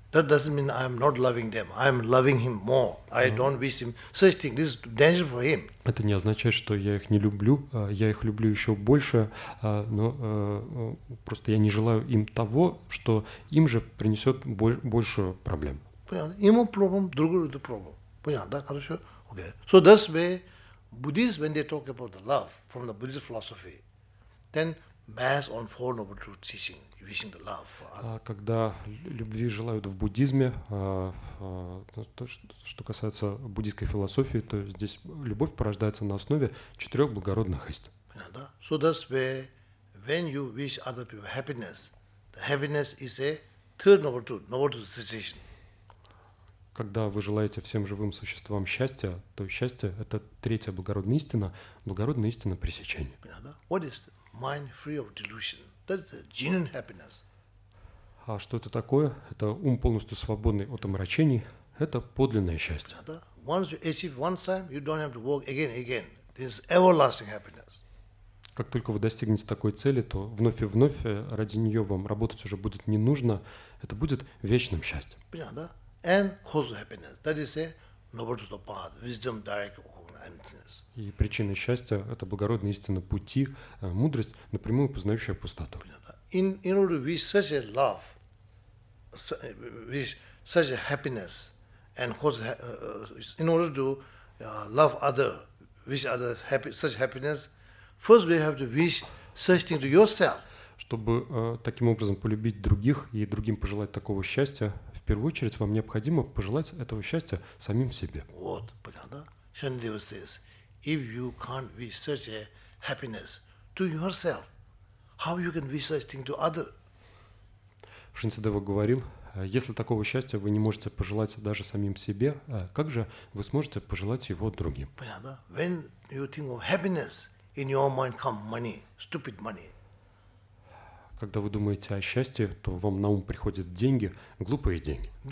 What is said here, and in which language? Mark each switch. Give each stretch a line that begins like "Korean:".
English: That doesn't mean I'm not loving them. I'm loving him more. I don't wish him such thing. This is dangerous for him.
Russian: Это не означает, что я их не люблю. Я их люблю еще больше, но просто я не желаю им того, что им же принесет большую проблему. Понятно. Ему проблем, другому это проблем. Понятно, да? Хорошо?
English: Okay. So that's why Buddhists, when they talk about the love from the Buddhist philosophy, then based on Four Noble Truths teaching.
Russian: Когда любви желают в буддизме, то, что касается буддийской философии, то здесь любовь порождается на основе четырех благородных истин.
English: So that's where, when you wish other people happiness, the happiness is a third noble truth, noble truth cessation.
Russian: Когда вы желаете всем живым существам счастья, то счастье – это третья благородная истина пресечения.
English: What is the mind free of delusion? That's a genuine happiness.
Russian: А что это такое? Это ум полностью свободный от омрачений. Это подлинное счастье.
English: Once you achieve one time, you don't have to work again and again. This is everlasting happiness.
Russian: Как только вы достигнете такой цели, то вновь и вновь ради нее вам работать уже будет не нужно. Это будет вечным счастьем. Понятно, да?
English: And cause of happiness. That is a noble truth of path, wisdom, direct.
Russian: И причина счастья – это благородная истина пути, мудрость, напрямую познающая пустоту.
English: In order to wish such a love, wish such a happiness, and cause in order to love other, wish other happy, such happiness, first we have to wish such thing to yourself.
Russian: Чтобы таким образом полюбить других и другим пожелать такого счастья, в первую очередь вам необходимо пожелать этого счастья самим себе. Вот, понятно, да?
English: Shantideva says, if you can't wish such a happiness to yourself, how you can wish such thing to other?
Russian: Шантидева говорил, Если такого счастья вы не можете пожелать даже самим себе, как же вы сможете пожелать его другим? Понятно?
English: When you think of happiness, in your mind come money, stupid money.
Russian: Когда вы думаете о счастье, то вам на ум приходят деньги, глупые деньги.